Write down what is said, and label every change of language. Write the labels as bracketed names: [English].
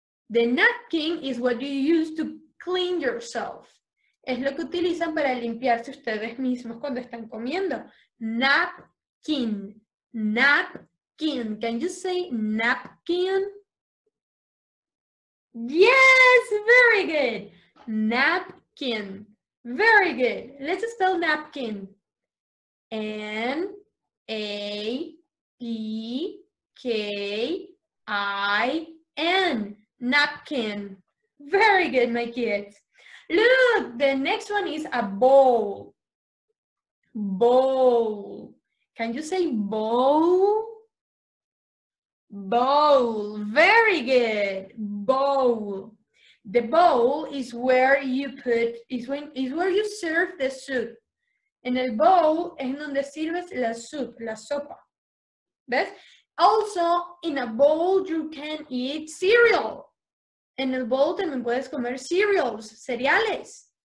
[English] The napkin is what you use to clean yourself. [Spanish] Es lo que utilizan para limpiarse ustedes mismos cuando están comiendo. [English] Napkin. Napkin. Can you say napkin? Yes, very good. Napkin. Very good. Let's spell napkin. N-A-P-K-I-N. Napkin. Very good, my kids. Look, the next one is a bowl. Bowl. Can you say bowl? Bowl. Very good. Bowl. The bowl is where you put, is where you serve the soup. [Spanish] En el bowl es donde sirves la soup, la sopa. ¿Ves? [English] Also, in a bowl you can eat cereal. [Spanish] En el bowl también puedes comer cereals, cereales.